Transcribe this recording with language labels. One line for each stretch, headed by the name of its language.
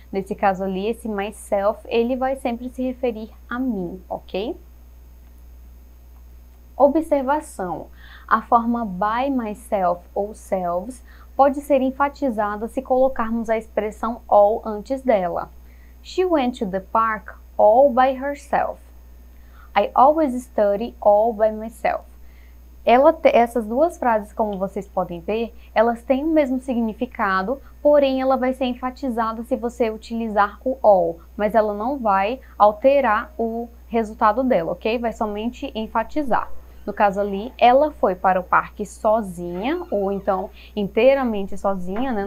Portuguese: Nesse caso ali, esse myself, ele vai sempre se referir a mim, ok? Observação. A forma by myself ou selves pode ser enfatizada se colocarmos a expressão all antes dela.
English: She went to the park all by herself. I always study all by myself.
Portuguese: Essas duas frases, como vocês podem ver, elas têm o mesmo significado, porém ela vai ser enfatizada se você utilizar o all, mas ela não vai alterar o resultado dela, ok? Vai somente enfatizar. No caso ali, ela foi para o parque sozinha, ou então inteiramente sozinha, né?